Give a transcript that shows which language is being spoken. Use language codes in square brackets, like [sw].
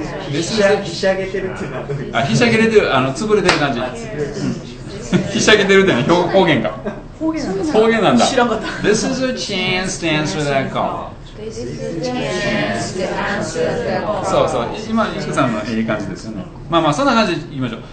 [ja] ひしゃげてるっていうのは潰れてる感じ。ひしゃげてるっていうのは方言か。方言なんだ。知らなかった。 [en] This is a chance to answer that call. [ja] そうそう、今、ゆくさんのいい感じですよね。まあまあ、そんな感じでいきましょう。